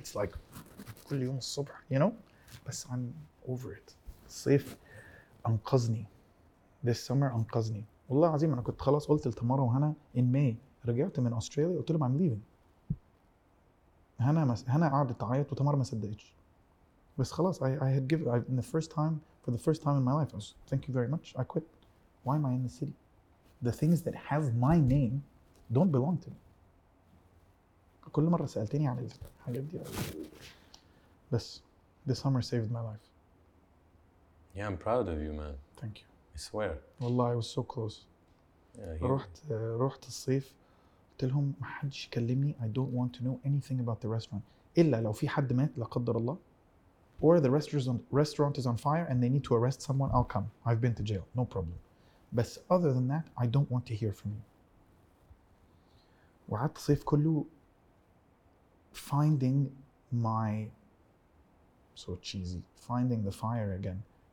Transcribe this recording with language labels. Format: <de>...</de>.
<en>It's like</en> <ar>كل يوم الصبح</ar> <en>you know.</en> <ar>بس</ar> <en>I'm over it.</en> <ar>الصيف أنقذني.</ar> <en>This summer</en> <ar>أنقذني والله عظيم. أنا كنت خلاص قلت لتمارا وهنا</ar> <en>in May</en> <ar>رجعت من أستراليا قلت لهم</ar> <en>I'm leaving.</en> <ar>هنا قعدت تعيط وتمارا ما صدقتش. بس خلاص</ar> <en>I had given in the first time for the first time in my life I was thank you very much I quit. Why am I in the city? The things that have my name don't belong to me.</en> <ar>كل مرة سألتني عن الحاجات دي بس</ar> <en>the summer saved my life. Yeah, I'm proud of you, man. Thank you. I swear.</en> <ar>والله</ar> <en>I was so close. Yeah,</en> <ar>رحت الصيف قلت لهم ما حدش يكلمني.</ar> <en>I don't want to know anything about the restaurant.</en> <ar>إلا لو في حد مات لا قدر الله.</ar> <en>Or the restaurant is on fire and they need to arrest someone, I'll come. I've been to jail. No problem.</en> <ar>بس</ar> <en>other than that I don't want to hear from you.</en> <ar>وقعدت صيف كله</ar> <en>finding my so cheesy finding the fire again.</en>